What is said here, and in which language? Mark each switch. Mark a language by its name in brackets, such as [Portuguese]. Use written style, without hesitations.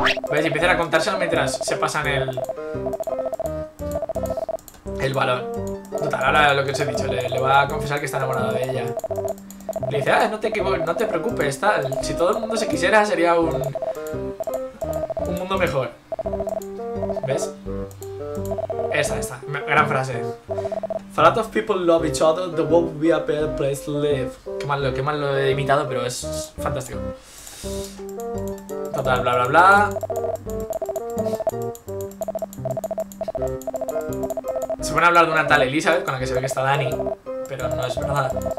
[Spanish] ¿Ves? Y empiezan a contárselo mientras se pasan el balón. Total, ahora lo que os he dicho, le va a confesar que está enamorado de ella. Le dice, ah, no te preocupes, tal. Si todo el mundo se quisiera, sería un mundo mejor. ¿Ves? Esta, gran frase. [English] If a lot of people love each other, the world will be a better place to live. [Spanish] Qué mal lo he imitado, pero es fantástico. Total, bla bla bla. pone a hablar de una tal Elizabeth, con la que se ve que está Dani, pero no es verdad.